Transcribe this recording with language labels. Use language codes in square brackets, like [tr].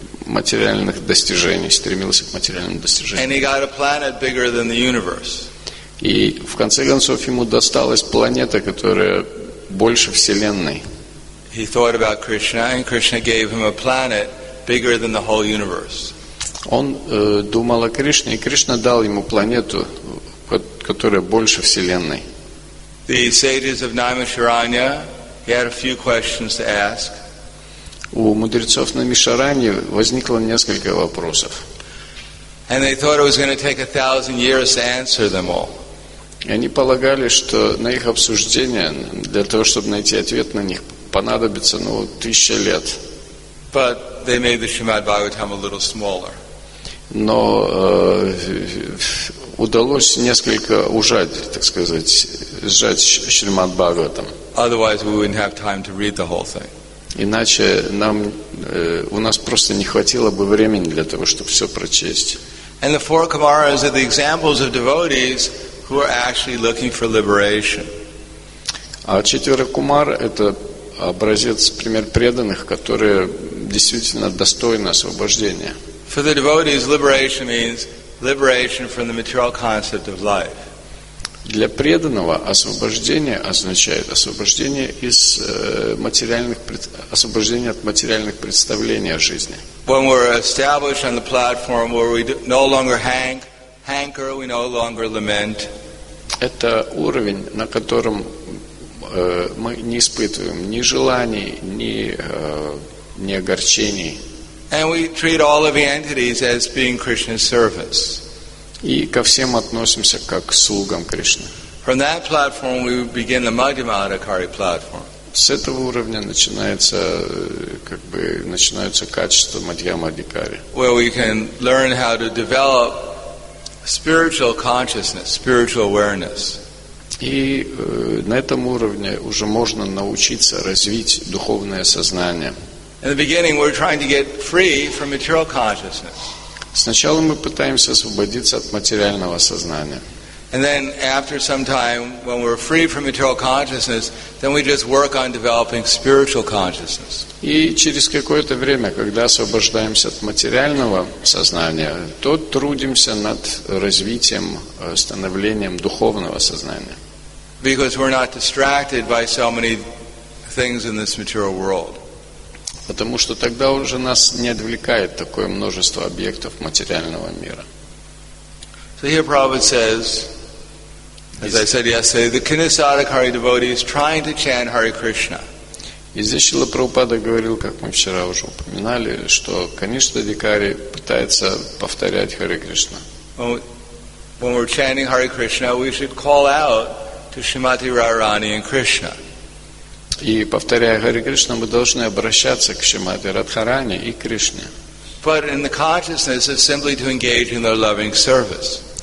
[ru] материальных достижений, стремился к материальным достижениям. [en] And he got a planet bigger than the universe. [ru] И в конце концов ему досталась планета, которая больше Вселенной. [en] He thought about Krishna, and Krishna gave him a planet bigger than the whole universe. [ru] Он думал о Кришне, и Кришна дал ему планету, которая больше Вселенной. [en] The sages of Naimisharanya, he had a few questions to ask. [ru] У мудрецов Наймишараньи возникло несколько вопросов. [en] And they thought it was going to take 1,000 years to answer them all. [ru] И они полагали, что на их обсуждение, для того, чтобы найти ответ на них, понадобится, ну, 1,000 лет. [en] But they made the Srimad Bhagavatam a little smaller. [ru] Но удалось несколько ужать, так сказать, сжать Шримад Бхагаватам. [en] Otherwise we wouldn't have time to read the whole thing. [ru] Иначе нам, у нас просто не хватило бы времени для того, чтобы все прочесть. [en] And the four Kumaras are the examples of devotees who are actually looking for liberation. [ru] А четверо Кумар – это образец, пример преданных, которые действительно достойны освобождения. [en] For the devotees, liberation means liberation from the material concept of life. [ru] Для преданного освобождение означает освобождение из материальных освобождение от материальных представлений о жизни. [en] When we're established on the platform where we no longer hanker, we no longer lament. [ru] Это уровень, на котором мы не испытываем ни желаний, ни огорчений. [en] And we treat all of the entities as being Krishna's servants. [ru] И ко всем относимся как к слугам Кришны. [en] From that platform we begin the Madhyama Adhikari platform. [ru] С этого уровня начинается, как бы, начинаются качества Мадхьяма Адхикари. [en] Where we can learn how to develop spiritual consciousness, spiritual awareness. [ru] И на этом уровне уже можно научиться развить духовное сознание. [en] In the beginning, we're trying to get free from material consciousness. [ru] Сначала мы пытаемся освободиться от материального сознания. [en] And then, after some time, when we're free from material consciousness, then we just work on developing spiritual consciousness. [ru] И через какое-то время, когда освобождаемся от материального сознания, то трудимся над развитием, становлением духовного сознания. [en] Because we're not distracted by so many things in this material world. [ru] Потому что тогда уже нас не отвлекает такое множество объектов материального мира. [en] So here Prabhupada says, as I said yesterday, the Kanisadakari devotee is trying to chant Hare Krishna. [ru] И здесь Шрила Прабхупада говорил, как мы вчера уже упоминали, что Канишадикари пытается повторять Харе Кришна. [en] When we're chanting Hare Krishna, we should call out to Shrimati Radharani and Krishna. [ru] И повторяя Харе Кришна, мы должны обращаться к Шримати Радхарани и Кришне. [en] But in the consciousness of simply to engage in their loving service.